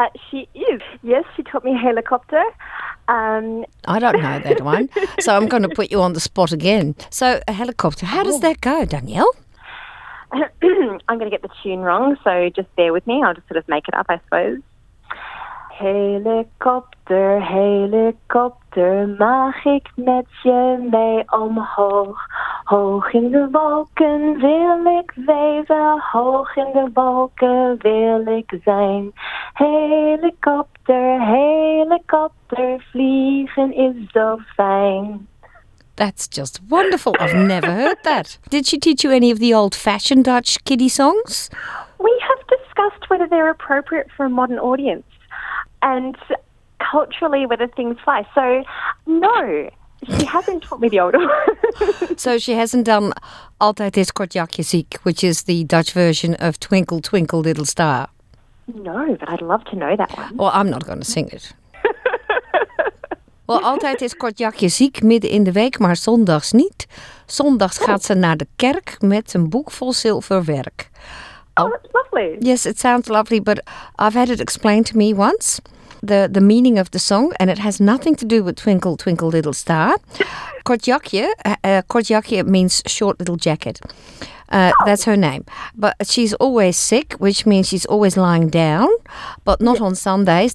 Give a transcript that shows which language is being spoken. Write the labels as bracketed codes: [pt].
[en] She is. Yes, she taught me Helicopter. I don't know that one. So I'm going to put you on the spot again. So a helicopter, how does that go, Danielle? I'm going to get the tune wrong, so just bear with me. I'll just sort of make it up, I suppose. [nl] Helikopter, helikopter, mag ik met je mee omhoog? Hoog in de wolken wil ik zweven, hoog in de wolken wil ik zijn. Helikopter, helikopter, vliegen is zo fijn. [en] That's just wonderful. I've never heard that. Did she teach you any of the old-fashioned Dutch kiddie songs? We have discussed whether they're appropriate for a modern audience. And culturally, whether things fly. So, no, she hasn't taught me the old one. So she hasn't done [nl] Altijd is kort jakje ziek, [en] which is the Dutch version of Twinkle, Twinkle, Little Star. No, but I'd love to know that one. Well, I'm not going to sing it. [nl] Well, Altijd is kort jakje ziek, midden in de week, maar zondags niet. Zondags gaat ze naar de kerk met een boek vol zilverwerk. [en] Oh, that's lovely. Yes, it sounds lovely, but I've had it explained to me once, the meaning of the song, and it has nothing to do with Twinkle, Twinkle, Little Star. Kortjakje means short little jacket. That's her name. But she's always sick, which means she's always lying down, but not on Sundays.